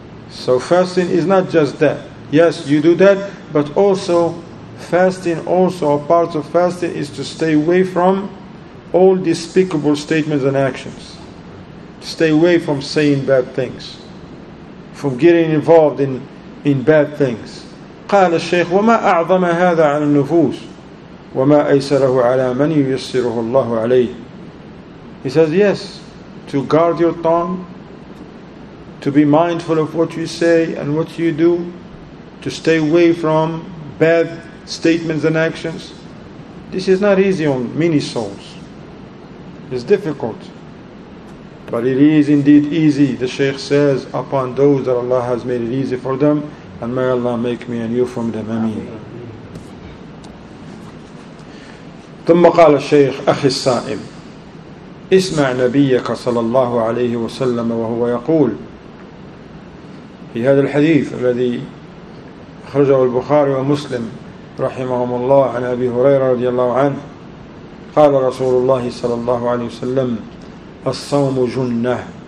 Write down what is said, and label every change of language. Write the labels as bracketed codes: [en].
[en] So fasting is not just that. Yes, you do that, but also fasting, also a part of fasting is to stay away from all despicable statements and actions. Stay away from saying bad things, from getting involved in bad things. [ar] قال الشيخ وما أعظم هذا على النفوس وما أيسره على من ييسره الله عليه. [en] He says, yes, to guard your tongue, to be mindful of what you say and what you do, to stay away from bad statements and actions. This is not easy on many souls. It's difficult. But it is indeed easy, the Shaykh says, upon those that Allah has made it easy for them. And may Allah make me and you from them. Ameen. [ar] ثم قال الشيخ أخي السائم اسمع نبيك صلى الله عليه وسلم وهو يقول. في هذا الحديث الذي خرجه البخاري ومسلم رحمهم الله عن أبي هريرة رضي الله عنه قال رسول الله صلى الله عليه وسلم الصوم جنة